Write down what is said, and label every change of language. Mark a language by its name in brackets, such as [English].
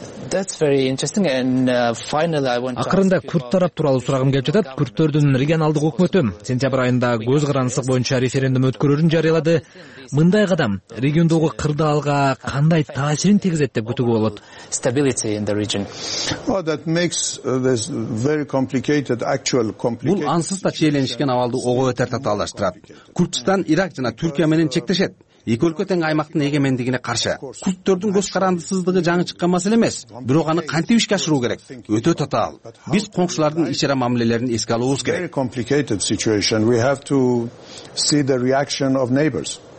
[English] That's very interesting and finally I want to ask. [Kyrgyz] Акырында курд тарап тууралуу сурагым келип жатат. Курдтордун регионалдык өкмөтү сентябрь айында көз карандысык боюнча референдум өткөрүүнү жарыялады. Мындай кадам региондогу кырдаалга кандай таасирин тийгизет деп күтүүгө болот. [English] Stability in the region. Oh, that makes this very complicated actual complicated. [Kyrgyz] Бул ансыз да чиеленишкен абалды ого бетер татаалдаштырат. Курдстан Ирак жана Түркия менен чектешет. Эки өлкө тең аймактын эгемендигине каршы. Курдтордун көз карандысыздыгы жаңы чыккан маселе эмес, бирок аны кантип ишке ашыруу керек? Өтө татаал. Биз коңшулардын ишара мамилелерин эске алуубуз керек. [English] Very complicated situation. We have to see the reaction of neighbors.